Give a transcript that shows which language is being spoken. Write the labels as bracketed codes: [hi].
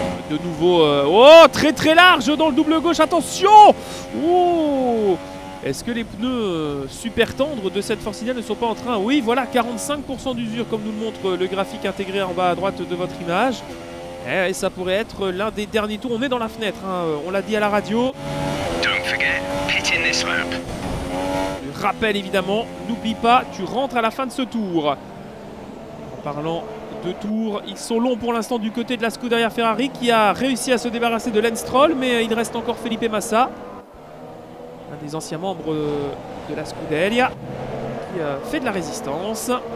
[fr] De nouveau, oh, très très large dans le double gauche, attention, oh, est-ce que les pneus super tendres de cette Force India ne sont pas en train? Oui, voilà, 45% d'usure comme nous le montre le graphique intégré en bas à droite de votre image. Et ça pourrait être l'un des derniers tours. On est dans la fenêtre, hein. On l'a dit à la radio. [en] Don't forget, pit in this lap. [fr] Rappel évidemment, n'oublie pas, tu rentres à la fin de ce tour. En parlant de tours, ils sont longs pour l'instant du côté de la Scuderia Ferrari qui a réussi à se débarrasser de Lance Stroll, mais il reste encore Felipe Massa, un des anciens membres de la Scuderia, qui fait de la résistance.